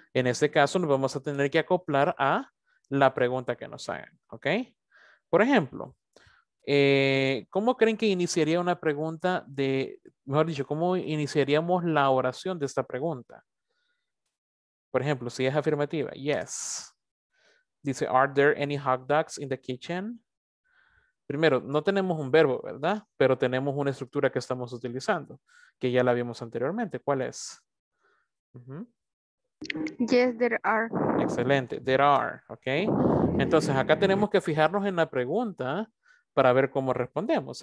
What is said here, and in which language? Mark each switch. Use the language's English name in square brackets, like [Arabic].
[Spanish] En este caso nos vamos a tener que acoplar a la pregunta que nos hagan, ¿ok? Por ejemplo, ¿cómo creen que iniciaría una pregunta de, mejor dicho, cómo iniciaríamos la oración de esta pregunta? Por ejemplo, si es afirmativa, yes. Dice, [English] are there any hot dogs in the kitchen? [Spanish] Primero, no tenemos un verbo, ¿verdad? Pero tenemos una estructura que estamos utilizando, que ya la vimos anteriormente. ¿Cuál es? [English] Yes, there are. [Spanish] Excelente, there are, ¿ok? Entonces, acá tenemos que fijarnos en la pregunta para ver cómo respondemos.